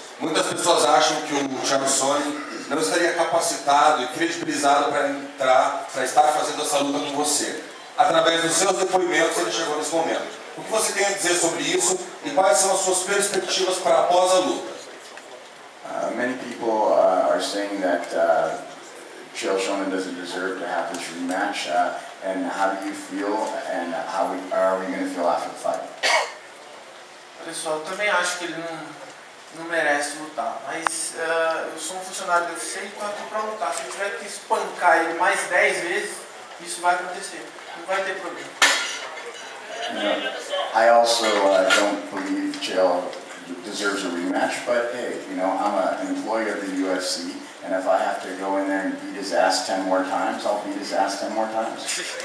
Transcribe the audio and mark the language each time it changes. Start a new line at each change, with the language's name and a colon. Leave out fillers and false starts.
Portuguese: Muitas pessoas acham que o Chael Sonnen não estaria capacitado e credibilizado para entrar, para estar fazendo essa luta com você. Através dos seus depoimentos, ele chegou nesse momento. O que você tem a dizer sobre isso e quais são as suas perspectivas para após a luta?
English: Many people are saying that Chael Sonnen doesn't deserve to have this rematch. And how do you feel? And how are we going to feel after the fight?
Portuguese: Pessoal, eu também acho que ele não merece lutar. Mas eu sou um funcionário do UFC e estou para lutar. Se eu tiver que espancar ele mais 10 vezes, isso vai acontecer. Não vai ter problema.
English: I also don't believe Chael deserves a rematch, but hey, you know, I'm an employee of the UFC, and if I have to go in there and beat his ass 10 more times, I'll beat his ass 10 more times.